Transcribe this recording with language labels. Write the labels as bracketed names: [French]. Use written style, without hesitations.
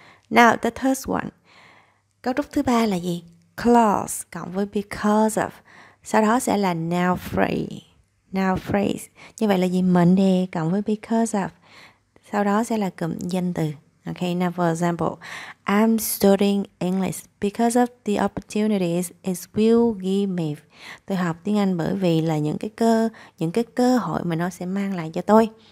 [English] Now the third one. [Vietnamese] Cấu trúc thứ ba là gì? Clause cộng với because of. Sau đó sẽ là noun phrase. Noun phrase. Như vậy là gì? Mệnh đề cộng với because of. Sau đó sẽ là cụm danh từ. [English] Okay, now for example, I'm studying English because of the opportunities it will give me. [Vietnamese] Tôi học tiếng Anh bởi vì là những cái cơ hội mà nó sẽ mang lại cho tôi.